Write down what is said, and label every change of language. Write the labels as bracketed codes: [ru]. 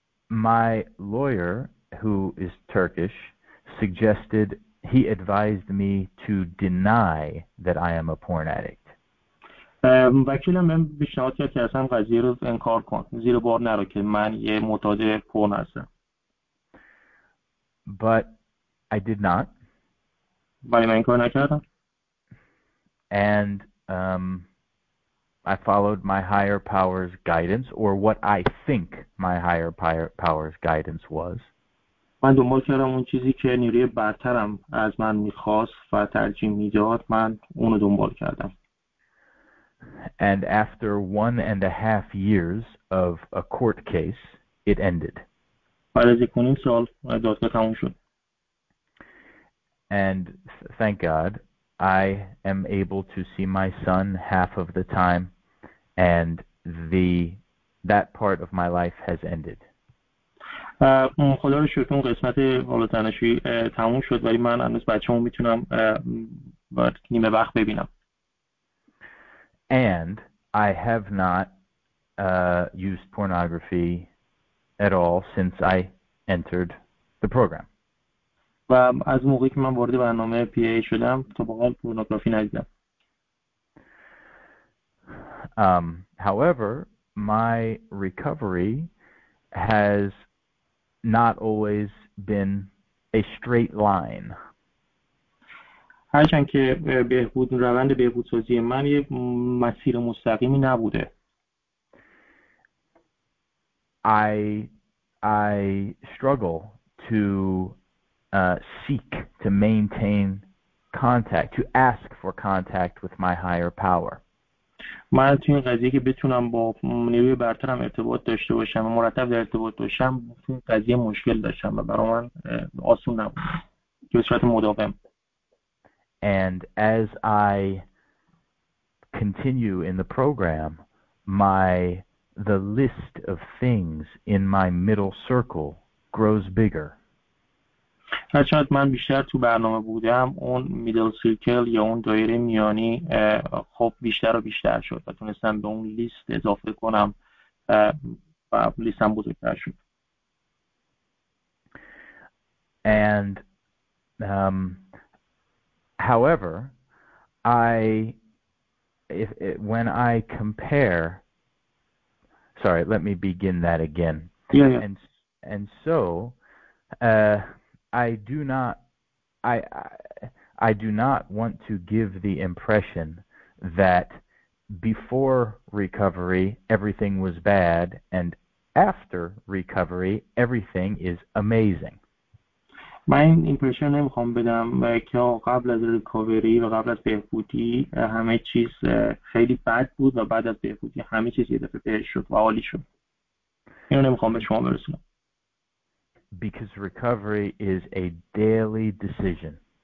[en] My lawyer, who is Turkish, suggested he advised me to deny that I am a porn addict. [fa] وکیلم من پیشنهاد کرد که اصلا قضیه رو انکار کن، زیر بار نرو که من یه معتاد پرن هستم. [en] But I did not. [fa] ولی من انکار نکردم. [en] And I followed my higher power's guidance, or what I think my higher power's guidance was. [fa] من دنبال کردم اون چیزی که نیروی برترم از من میخواست و ترجیح میداد، من اونو دنبال کردم. [en] And after 1.5 years of a court case, it ended. [fa] بعد از 1.5 سال دادگاه تموم شد. [en] And thank God, I am able to see my son half of the time, and that part of my life has ended. [fa] خدا رو شکر اون قسمت والا تنشوی تموم شد ولی من هنوز بچه‌مو میتونم بعد نیمه وقت ببینم. [en] And I have not used pornography at all since I entered the program. [fa] و از موقعی که من وارد برنامه PA شدم تا به حال پورنوگرافی ندیدم. [en] However, my recovery has not always been a straight line. [fa] هرچند که بهبود روند بهبودسازی من یه مسیر مستقیمی نبوده. [en] I struggle to seek to maintain contact, to ask for contact with my higher power. [fa] من تو این قضیه که بتونم با نیروی برترم ارتباط داشته باشم و مرتب در ارتباط باشم، تو این قضیه مشکل داشتم و برای من آسون نبود که به صورت مداوم. [en] And as I continue in the program, the list of things in my middle circle grows bigger. [fa] هرچند من بیشتر تو برنامه بودم، اون میدل سیرکل یا اون دایره میانی خب بیشتر و بیشتر شد و تونستم به اون لیست اضافه کنم و لیستم بزرگتر شد. [en] And however, when I compare, sorry, let me begin that again. Yeah. And so, I do not want to give the impression that before recovery everything was bad and after recovery everything is amazing. [fa] من این ایمپرشن نمیخوام بدم که قبل از ریکاوری و قبل از بهبودی همه چیز خیلی بد بود و بعد از بهبودی همه چیز یه دفعه بهش شد و عالی شد. اینو نمیخوام به شما برسونم. [en] Because recovery is a daily decision.